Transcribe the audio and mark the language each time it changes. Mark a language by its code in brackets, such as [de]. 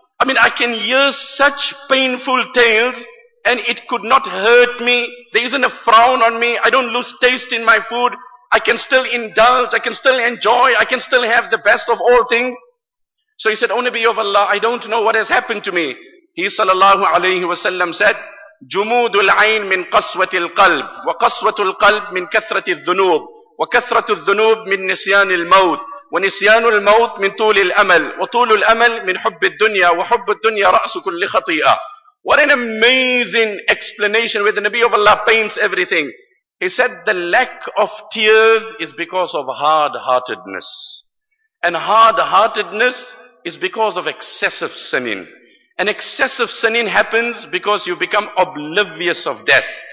[en] I mean, I can hear such painful tales and it could not hurt me. There isn't a frown on me. I don't lose taste in my food. I can still indulge. I can still enjoy. I can still have the best of all things. So he said, O Nabi of Allah, I don't know what has happened to me. He sallallahu alayhi wa sallam said, [ar] جمود العين من قسوة القلب وقسوة القلب من كثرة الذنوب وكثرة الذنوب من نسيان الموت ونسيان الموت من طول الأمل وطول الأمل من حب الدنيا وحب الدنيا رأس كل خطيئة. [en] What an amazing explanation, where the Nabi of Allah paints everything. He said the lack of tears is because of hard-heartedness. And hard-heartedness is because of excessive sinning. And excessive sinning happens because you become oblivious of death.